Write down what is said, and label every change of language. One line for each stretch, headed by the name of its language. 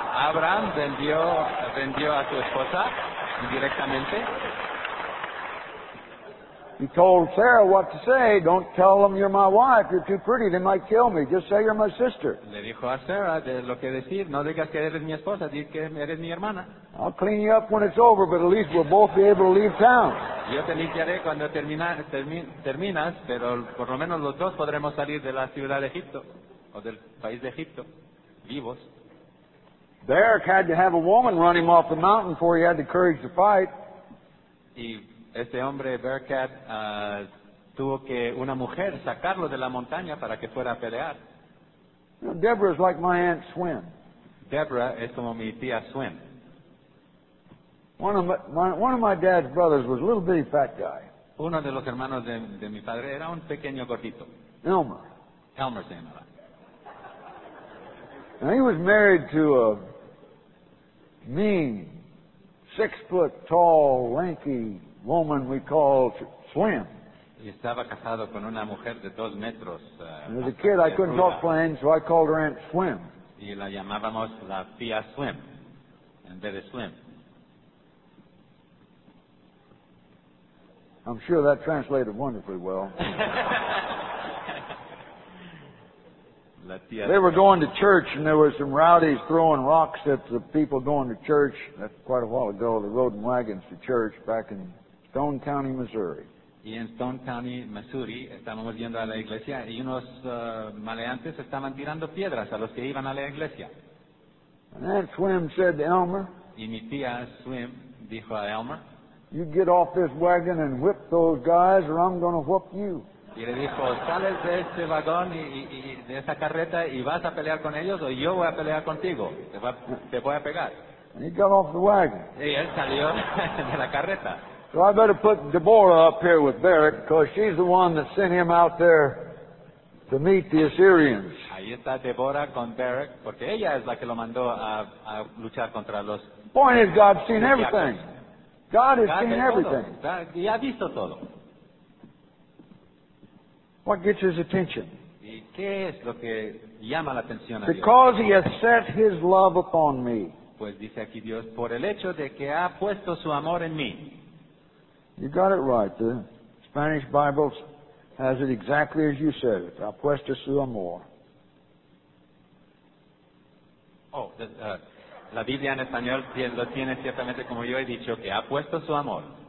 Spanish: Abraham vendió a su esposa indirectamente.
English: He told Sarah what to say. Don't tell them you're my wife. You're too pretty. They might kill me. Just say you're my sister.
Spanish: Le dijo a Sarah de lo que decir. No digas que eres mi esposa. Di que eres mi hermana.
English: I'll clean you up when it's over, but at least we'll both be able to leave town.
Spanish: Yo te limpiaré cuando terminas, pero por lo menos los dos podremos salir de la ciudad de Egipto. O del país de Egipto, vivos.
English: Barak had to have a woman run him off the mountain before he had the courage to fight.
Spanish: Y este hombre, Barak, tuvo que una mujer sacarlo de la montaña para que fuera a pelear.
English: Now, Deborah is like my aunt Swin.
Spanish: Deborah es como mi tía Swin.
English: One of my dad's brothers was a little bitty fat guy.
Spanish: Uno de los hermanos de mi padre era un pequeño gordito.
English: Elmer.
Spanish: Elmer se llamaba.
English: And he was married to a mean, 6-foot-tall, lanky woman we called Swim.
Spanish: Y estaba casado con una mujer de 2 metros.
English: As a kid, I couldn't talk plain, so I called her Aunt Swim.
Spanish: Y la llamábamos la tía Swim, en vez de Swim.
English: I'm sure that translated wonderfully well. They were going to church, and there were some rowdies throwing rocks at the people going to church. That's quite a while ago. They rode in wagons to church back in Stone County, Missouri.
Spanish: Y en Stone County, Missouri, estábamos yendo a la iglesia, y unos maleantes estaban tirando piedras a los que iban a la iglesia.
English: And Aunt Swim said to Elmer,
Spanish: y mi tía Swim dijo a Elmer,
English: you get off this wagon and whip those guys, or I'm going to whoop you.
Spanish: Y le dijo, sales de este vagón y de esa carreta y vas a pelear con ellos o yo voy a pelear contigo. Te voy a pegar.
English: And he got off the wagon.
Spanish: Y él salió de la carreta.
English: So I better put Deborah up here with Barak because she's the one that sent him out there to meet the Assyrians.
Spanish: Ahí está Deborah con Barak porque ella es la que lo mandó a luchar contra los.
English: Point is, God's seen everything. God has seen everything.
Spanish: Y ha visto todo.
English: What gets his attention?
Spanish: ¿Y qué es lo que llama la atención a Dios?
English: Because he has set his love upon me.
Spanish: Pues dice aquí Dios, por el hecho de que ha puesto su amor en mí.
English: You got it right. The Spanish Bible has it exactly as you said it.
Spanish: Ha puesto su amor. Oh, la Biblia en español lo tiene ciertamente como yo he dicho, que ha puesto su amor.